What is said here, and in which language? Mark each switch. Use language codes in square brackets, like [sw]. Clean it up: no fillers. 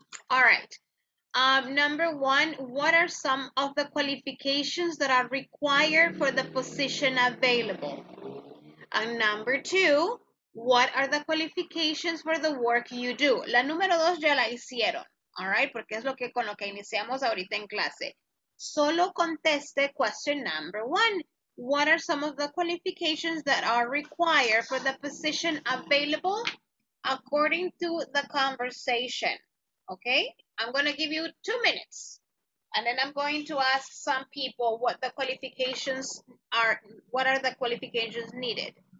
[en] All right. Number one, what are some of the qualifications that are required for the position available? And number two, what are the qualifications for the work you do? [es] La número dos ya la hicieron. [en] All right, [es] porque es lo que con lo que iniciamos ahorita en clase. Solo conteste [en] question number one. What are some of the qualifications that are required for the position available according to the conversation? Okay, I'm going to give you 2 minutes and then I'm going to ask some people what the qualifications are, what are the qualifications needed.